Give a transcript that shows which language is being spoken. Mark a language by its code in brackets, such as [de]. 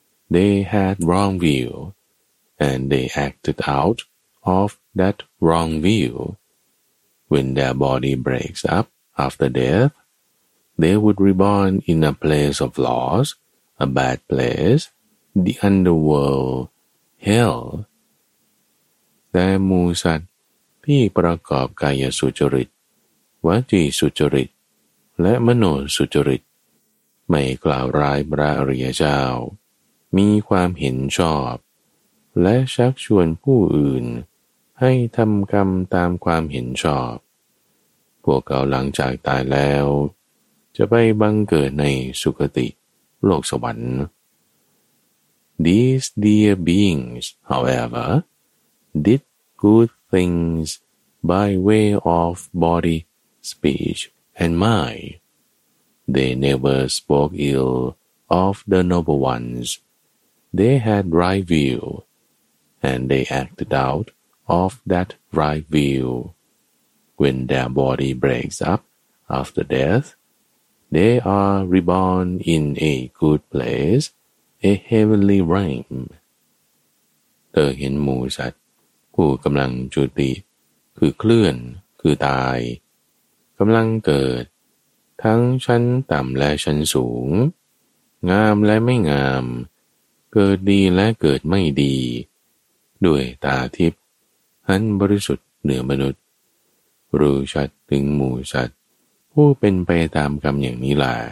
[en] They had wrong view, and they acted out of that. Wrong view. When their body breaks up after death, they would reborn in a place of loss, a bad place, the underworld, hell. [th] แต่หมู่สัตว์ที่ประกอบกายสุจริตวจีสุจริตและมโนสุจริตไม่กล่าวร้ายพระอริยเจ้ามีความเห็นชอบและชักชวนผู้อื่นให้ทำกรรมตามความเห็นชอบพวกเขาหลังจากตายแล้วจะไปบังเกิดในสุคติโลกสวรรค์ [en] These dear beings, however, did good things by way of body, speech, and mind. They never spoke ill of the noble ones. They had right view, and they acted outOf that right view, when their body breaks up after death, they are reborn in a good place, a heavenly realm. [th] เธอเห็นหมูสัตว์ผู้กำลังจุติคือเคลื่อนคือตายกำลังเกิดทั้งชั้นต่ำและชั้นสูง งามและไม่งามเกิดดีและเกิดไม่ดีด้วยตาทิพย์หันบริสุทธิ์เหนือมนุษย์รู้ชัดถึงหมู่สัตว์ผู้เป็นไปตามกรรมอย่างนี้แล